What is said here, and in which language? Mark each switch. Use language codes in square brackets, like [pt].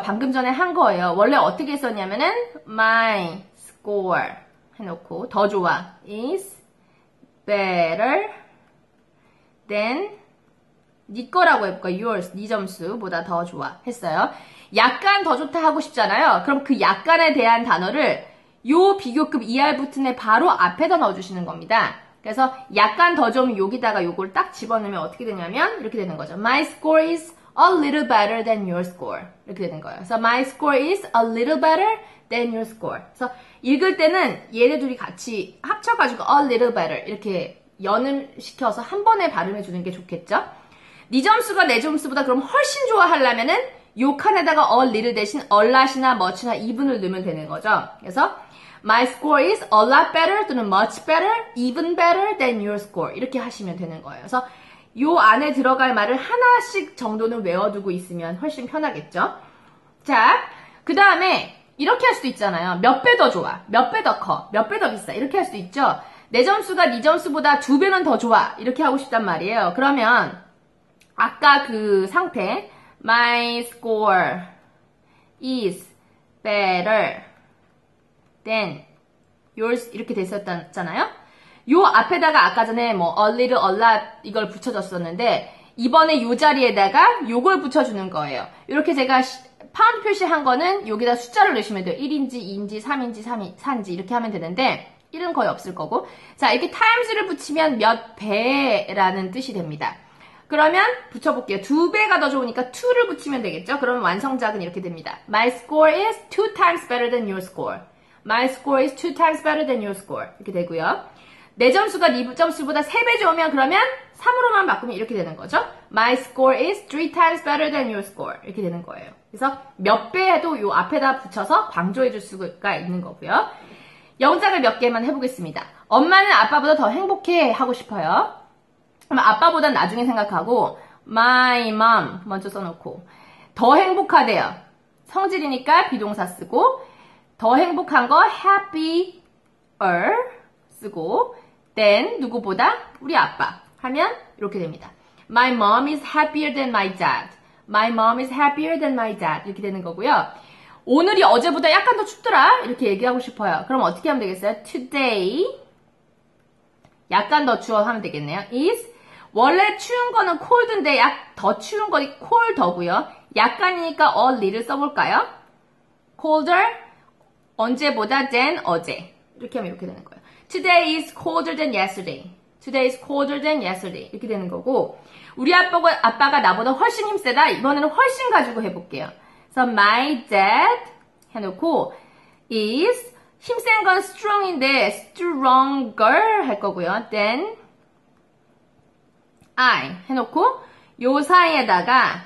[ko] 방금 전에 한 거예요. 원래 어떻게 했었냐면은 my score 해놓고 더 좋아 is better than 네 거라고 해볼까? yours 네 점수보다 더 좋아 했어요. 약간 더 좋다 하고 싶잖아요. 그럼 그 약간에 대한 단어를 요 비교급 er 붙은 애 바로 앞에다 넣어주시는 겁니다. 그래서 약간 더좀 여기다가 요걸 딱 집어넣으면 어떻게 되냐면 이렇게 되는 거죠. [en] My score is a little better than your score. [ko] 이렇게 되는 거예요. [en] So my score is a little better than your score. [ko] 그래서 읽을 때는 얘네 둘이 같이 합쳐가지고 a little better 이렇게 연음시켜서 한 번에 발음해 주는 게 좋겠죠? 네 점수가 내 점수보다 그럼 훨씬 좋아하려면은 요 칸에다가 a little 대신 a lot이나 much나 even을 넣으면 되는 거죠. [en] 그래서 My score is a lot better 또는 much better, even better than your score. [ko] 이렇게 하시면 되는 거예요. 그래서 요 안에 들어갈 말을 하나씩 정도는 외워두고 있으면 훨씬 편하겠죠? 자, 그 다음에 이렇게 할 수도 있잖아요. 몇배더 좋아? 몇배더 커? 몇배더 비싸? 이렇게 할 수도 있죠? 내 점수가 네 점수보다 두 배는 더 좋아. 이렇게 하고 싶단 말이에요. 그러면 아까 그 상태, my score is better. then yours 이렇게 됐었잖아요. 요 앞에다가 아까 전에 뭐 a little, a lot 이걸 붙여줬었는데 이번에 요 자리에다가 요걸 붙여주는 거예요. 이렇게 제가 파운드 표시한 거는 여기다 숫자를 넣으시면 돼요. 1인지, 2인지, 3인지, 4인지 이렇게 하면 되는데 1은 거의 없을 거고. 자, 이렇게 times를 붙이면 몇 배라는 뜻이 됩니다. 그러면 붙여볼게요. 두 배가 더 좋으니까 2를 붙이면 되겠죠? 그러면 완성작은 이렇게 됩니다. [en] My score is two times better than your score. My score is two times better than your score. [ko] 이렇게 되고요. 내 점수가 네 점수보다 3배 좋으면 그러면 3으로만 바꾸면 이렇게 되는 거죠. [en] My score is 3 times better than your score. [ko] 이렇게 되는 거예요. 그래서 몇 배에도 요 앞에다 붙여서 강조해 줄 수가 있는 거고요. 영작을 몇 개만 해보겠습니다. 엄마는 아빠보다 더 행복해 하고 싶어요. 그럼 아빠보단 나중에 생각하고 My mom 먼저 써놓고 더 행복하대요. 성질이니까 비동사 쓰고 더 행복한 거 happier 쓰고 then 누구보다 우리 아빠 하면 이렇게 됩니다. [en] My mom is happier than my dad. My mom is happier than my dad. [ko] 이렇게 되는 거고요. 오늘이 어제보다 약간 더 춥더라. 이렇게 얘기하고 싶어요. 그럼 어떻게 하면 되겠어요? Today 약간 더 추워 하면 되겠네요. Is 원래 추운 거는 cold인데 약 더 추운 거니 colder고요. 약간이니까 a little 써볼까요? Colder 언제보다 than 어제. 이렇게 하면 이렇게 되는 거예요. [en] Today is colder than yesterday. Today is colder than yesterday. [ko] 이렇게 되는 거고 우리 아빠가 나보다 훨씬 힘세다. 이번에는 훨씬 가지고 해볼게요. So my dad 해놓고 is 힘센 건 strong인데 stronger 할 거고요. Then I 해놓고 요 사이에다가